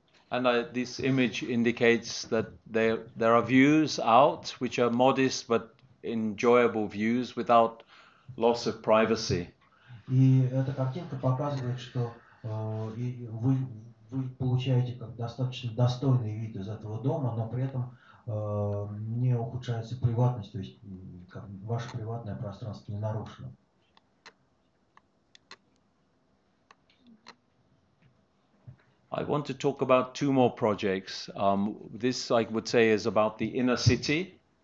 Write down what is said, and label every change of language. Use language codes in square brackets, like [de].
[en] And this image indicates that there are views out, which are modest but enjoyable views without loss of privacy. [ru] И эта картинка показывает, что вы получаете как достаточно достойный вид из этого дома, но при этом не ухудшается приватность, то есть как ваше приватное пространство не нарушено. [en] I want to talk about two more projects. This, I would say, is about the inner city.